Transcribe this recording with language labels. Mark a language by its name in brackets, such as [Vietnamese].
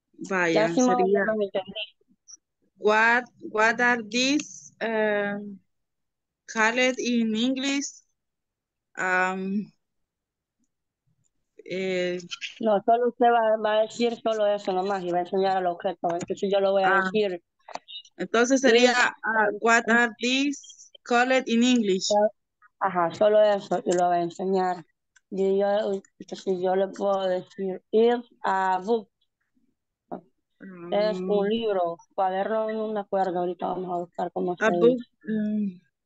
[Spanish] Vaya, si sería. [English] What are these called in English? [Spanish] No, solo usted va a decir solo eso nomás y va a enseñar al objeto, entonces yo lo voy a decir. Entonces sería [English] what are these called in English? [Spanish] Ajá, solo eso y lo va a enseñar. Y yo, entonces yo le puedo decir [English] is a book. [Spanish] Es un libro, cuaderno, no me acuerdo, ahorita vamos a buscar cómo se dice.